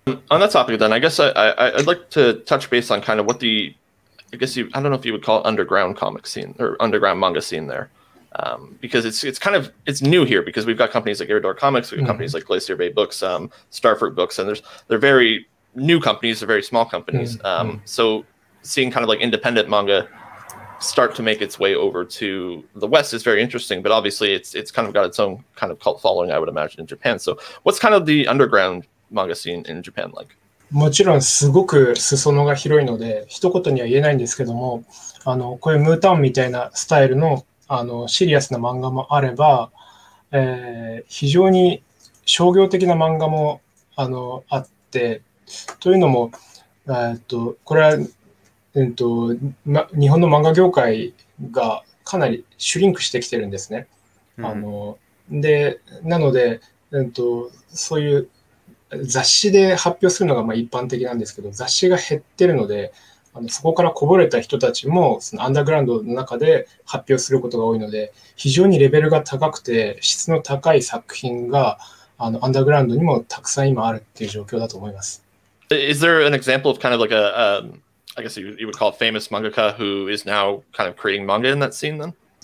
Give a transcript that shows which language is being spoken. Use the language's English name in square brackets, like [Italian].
[English] On that topic, then, I guess I'd like to touch base on kind of what the, I guess you, I don't know if you would call it underground comic scene or underground manga scene there, because it's kind of it's new here because we've got companies like Iridor Comics, we've got companies like Glacier Bay Books, Starfruit Books, and they're very new companies, they're very small companies. So seeing kind of like independent manga start to make its way over to the West is very interesting, but obviously it's kind of got its own kind of cult following, I would imagine, in Japan. So what's kind of the underground manga scene in Japan like? [Japanese] もちろんすごく裾野が広いので一言には言えないんですけども、こういうムータウンみたいなスタイル の, シリアスな漫画もあれば、非常に商業的な漫画も あって、というのも、これは日本の漫画業界がかなりシュリンクしてきてるんですね。でなので、そういう雑誌で発表するのがまあ一般的なんですけど、雑誌が減ってるので、そこからこぼれた人たちもそのアンダーグラウンドの中で発表することが多いので、非常にレベルが高くて質の高い作品がアンダーグラウンドにもたくさん今あるっていう状況だと思います。 [English] Is there an example of kind of like a、I guess you would call it famous mangaka who is now kind of creating manga in that scene then?